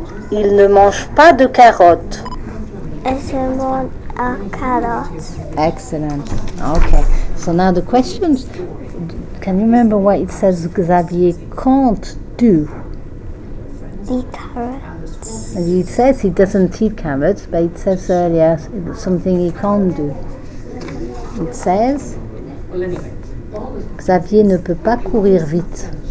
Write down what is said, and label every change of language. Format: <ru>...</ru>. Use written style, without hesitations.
<fr>Il ne mange pas de carottes. Il ne mange pas de carottes.</fr> <en>Excellent. Okay. So now the questions. Can you remember what it says Xavier can't do? Eat carrots. It says he doesn't eat carrots, but it says earlier something he can't do. It says Xavier</en> <fr>ne peut pas courir vite.</fr>